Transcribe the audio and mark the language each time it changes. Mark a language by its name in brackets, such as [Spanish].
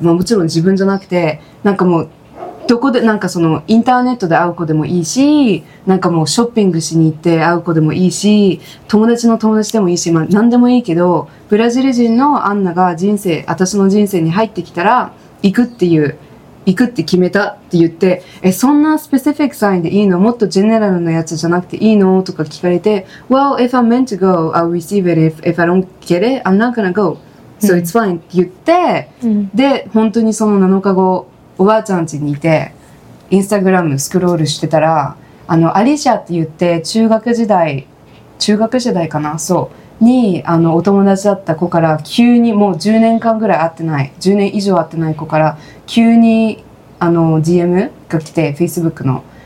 [Japanese] まあもちろん自分じゃなくて、なんかもう、どこで、なんかその、インターネットで会う子でもいいし、なんかもうショッピングしに行って会う子でもいいし、友達の友達でもいいし、まあ何でもいいけど、ブラジル人のアンナが人生、私の人生に入ってきたら、行くって決めたって言って、え、そんなスペシフィックサインでいいの?もっとジェネラルなやつじゃなくていいの? とか聞かれて、 [English] Well, if I'm meant to go, I'll receive it. If I don't get it, I'm not gonna go. So it's fine [Japanese] って言って、で、本当にその7日後、おばあちゃん家にいて、インスタグラムスクロールしてたら、アリシャって言って、中学時代かな?そう。に、お友達だった子から、急に、もう10年間ぐらい会ってない、10年以上会ってない子から、急に、DM が来て、Facebook の。